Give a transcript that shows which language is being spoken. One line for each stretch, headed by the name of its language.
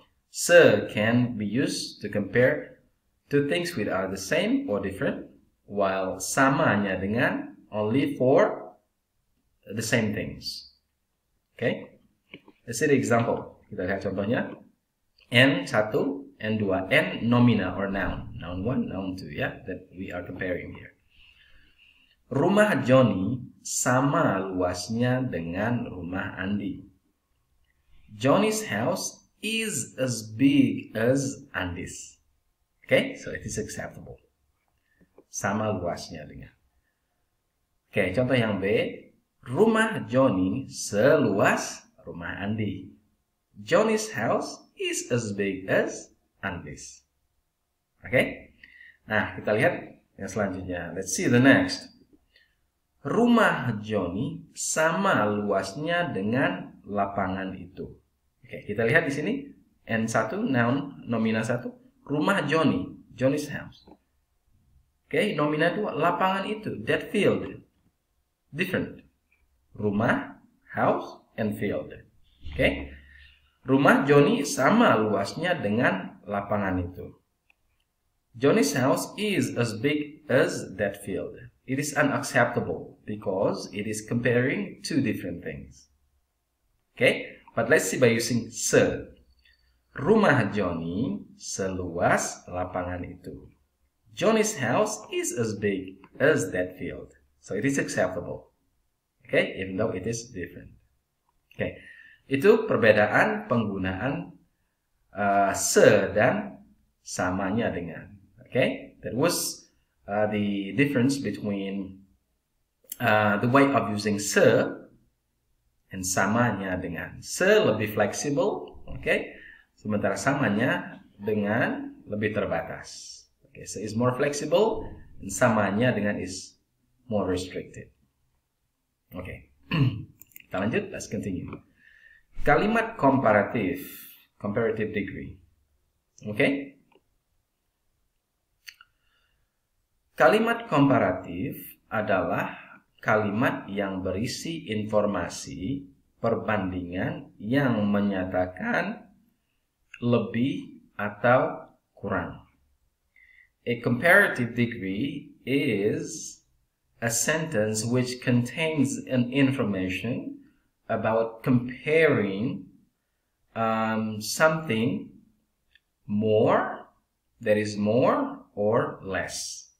English: Sir can be used to compare two things which are the same or different, while sama hanya dengan only for the same things. Okay? Let's see the example.
Indonesian: Kita lihat contohnya.
English: N 1, N 2, N nomina or noun. Noun 1, noun 2, yeah, that we are comparing here.
Indonesian: Rumah Johnny sama luasnya dengan rumah Andi.
English: Johnny's house is as big as Andi's. Okay, so it is acceptable. Sama luasnya dengan. Okay,
Indonesian: contoh yang B. Rumah Johnny seluas rumah Andi.
English: Johnny's house is as big as Andi's. Okay?
Indonesian: Nah, kita lihat yang selanjutnya.
English: Let's see the next.
Indonesian: Rumah Johnny sama luasnya dengan lapangan itu. Oke, kita lihat di sini. N1, noun, nomina 1. Rumah Johnny,
English: Johnny's house.
Indonesian: Oke, nomina 2, lapangan itu,
English: that field. Different.
Indonesian: Rumah, house, and field. Oke. Rumah Johnny sama luasnya dengan lapangan itu.
English: Johnny's house is as big as that field. It is unacceptable because it is comparing two different things. Okay, but let's see by using sir.
Indonesian: Rumah Johnny seluas lapangan itu.
English: Johnny's house is as big as that field. So it is acceptable. Okay, even though it is different.
Indonesian: Okay, itu perbedaan penggunaan sir dan samanya dengan.
English: Okay, that was the difference between the way of using se and samanya dengan.
Indonesian: Se lebih fleksibel, okay? Sementara samanya dengan lebih terbatas.
English: Okay, se is more flexible and samanya dengan is more restricted. Okay,
Indonesian: kita lanjut,
English: let's continue.
Indonesian: Kalimat komparatif,
English: comparative degree. Okay?
Indonesian: Kalimat komparatif adalah kalimat yang berisi informasi perbandingan yang menyatakan lebih atau kurang.
English: A comparative degree is a sentence which contains an information about comparing something more, that is more or less.